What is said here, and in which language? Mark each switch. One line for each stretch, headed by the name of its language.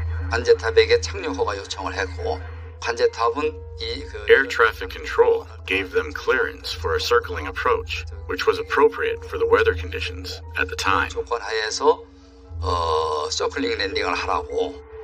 Korean: 관제탑에게 착륙허가 요청을 했고, 관제탑은 이 그
English: Air traffic control gave them clearance for a circling approach, which was appropriate for the weather conditions at the time.
Korean: 조건 하에서 서클링 랜딩을 하라고.